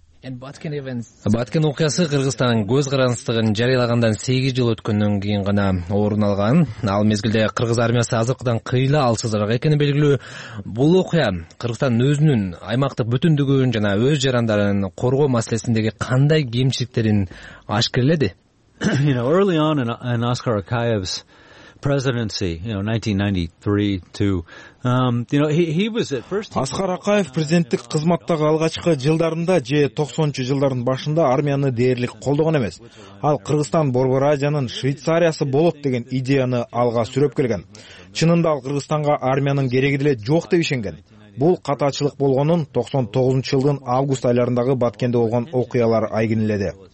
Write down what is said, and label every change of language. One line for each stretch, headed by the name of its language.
Kyrgyz: Баткен окуясы Кыргызстандын көз карандысыгын жарыялагандан 8 жыл өткөндөн кийин гана орун алган. Ал мезгилде кыргыз армиясы азыркыдан кыйла алсызыраак экени белгилүү. Бул окуя Кыргызстандын өзүнүн аймактык бүтүндүгүн жана өз жарандарын коргоо маселесиндеги кандай кемчиликтерин ашкерледи?
English: Early on in Oscar Akayev's presidency, 1993 to
Kyrgyz: Аскар Акаев президенттик кызматтагы алгачкы жылдарында же 90-жылдардын башында армияны дээрлик колдогон эмес. Ал Кыргызстан Борбор Азиянын Швейцариясы болот деген идеяны алга сүрөп келген. Чынында ал Кыргызстанга армиянын кереги деле жок деп ишенген. Бул катачылык болгонун 99-жылдын август айларындагы Баткенде болгон окуялар айгинледи.